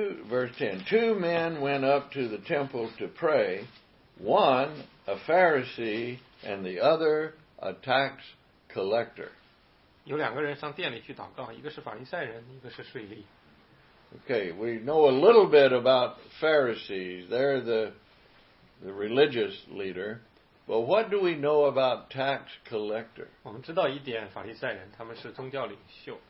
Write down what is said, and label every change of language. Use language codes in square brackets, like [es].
[en] Verse 10, two men went up to the temple to pray, one a Pharisee and the other a tax collector. [zh] 有两个人上殿里去祷告，一个是法利赛人，一个是税吏。 [en] Okay, we know a little bit about Pharisees. They're the religious leader. But what do we know about tax collector? [zh] 我们知道一点，法利赛人，他们是宗教领袖。